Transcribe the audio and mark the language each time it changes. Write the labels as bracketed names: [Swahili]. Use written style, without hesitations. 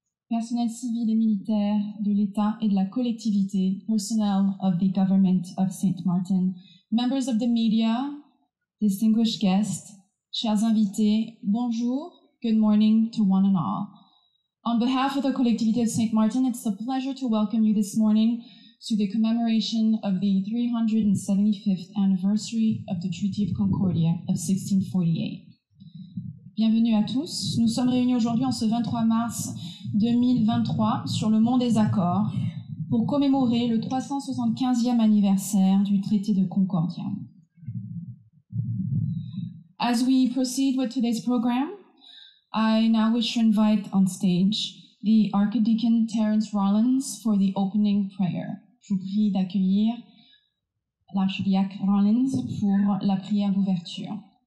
[French] Personnel civil et militaire de l'État et de la collectivité, [English] personnel of the government of Saint Martin, members of the media, distinguished guests, [French] chers invités, bonjour, [English] good morning to one and all. On behalf of the Collectivité of Saint Martin, it's a pleasure to welcome you this morning to the commemoration of the 375th anniversary of the Treaty of Concordia of 1648. [French] Bienvenue à tous. Nous sommes réunis aujourd'hui en ce 23 mars 2023 sur le Mont des Accords pour commémorer le 375e anniversaire du Traité de Concordia. [English] As we proceed with today's program, I now wish to invite on stage the Archdeacon Terence Rollins for the opening prayer. [French] Je vous prie d'accueillir l'archidiacre Rollins pour la prière d'ouverture.